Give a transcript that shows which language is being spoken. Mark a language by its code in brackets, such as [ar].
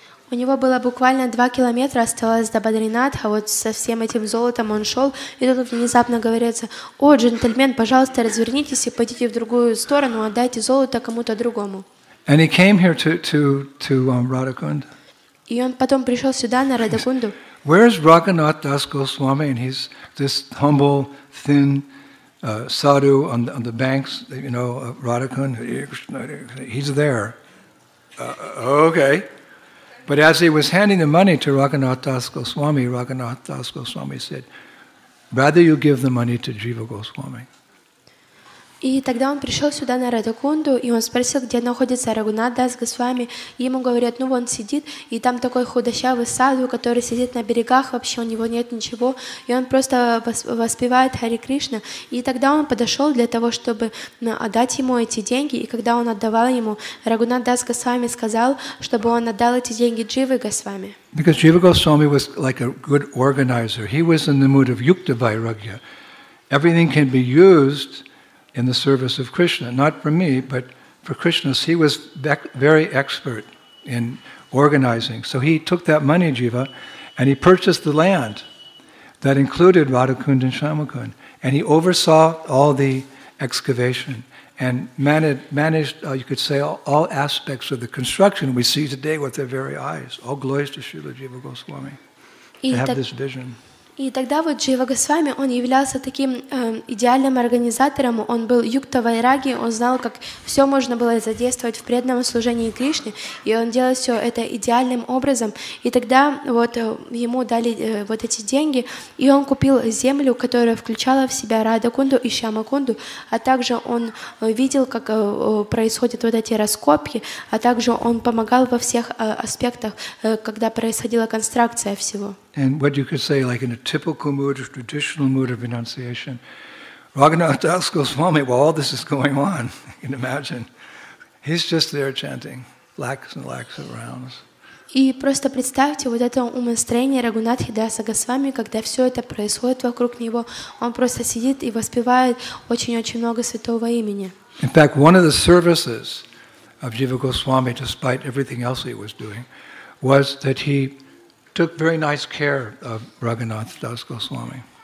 [ru] У него было буквально 2 километра осталось до Бадринатха. Вот со всем этим золотом он шел, и тут внезапно говорится: "О, джентльмен, пожалуйста, развернитесь и пойдите в другую сторону, отдайте золото кому-то другому." [en] And he came here to Radhakund. [ru] И он потом пришел сюда на Радхакунду. [en] Where's Rāghunātha Dās Goswāmī? And he's this humble, thin sadhu on the banks, you know, Radhakund. He's there. Okay. But as he was handing the money to Rāghunātha Dās Goswāmī, Rāghunātha Dās Goswāmī said, rather you give the money to Jīva Goswāmī. [ru] И тогда он пришел сюда на Радхакунду, и он спросил, где находится Рагхунатх Дас Госвами. Ему говорят, ну вон сидит, и там такой худощавый садху, который сидит на берегах, вообще у него нет ничего, и он просто воспевает Харе Кришна. И тогда он подошел для того, чтобы отдать ему эти деньги, и когда он отдавал ему, Рагхунатх Дас Госвами сказал, чтобы он отдал эти деньги Дживе Госвами. [en] Because Jiva Goswami was like a good organizer. He was in the mood of Yukta Vairagya. Everything can be used in the service of Krishna, not for me, but for Krishna. He was very expert in organizing. So he took that money, Jiva, and he purchased the land that included Radhakund and Shyamakund, and he oversaw all the excavation and managed you could say, all aspects of the construction we see today with their very eyes. All glories to Srila Jiva Goswami. They have this vision. [ru] И тогда вот Джива Госвами, он являлся таким идеальным организатором, он был Юкта Вайраги, он знал, как все можно было задействовать в преданном служении Кришне, и он делал все это идеальным образом. И тогда вот ему дали вот эти деньги, и он купил землю, которая включала в себя Радхакунду и Шьямакунду, а также он видел, как происходят вот эти раскопки, а также он помогал во всех аспектах, когда происходила конструкция всего. [en] And what you could say, like in a typical mood or traditional mood of renunciation, Rāghunātha Dās Goswāmī, while all this is going on, you can imagine, he's just there chanting lakhs and lakhs of rounds. [ru] И просто представьте вот это умонастроение Рагхунатхе Даса Госвами, когда все это происходит вокруг него, он просто сидит и воспевает очень-очень много святого имени. [en] In fact, one of the services of Jiva Goswami, despite everything else he was doing, was that he took very nice care of Rāghunātha Dās Goswāmī.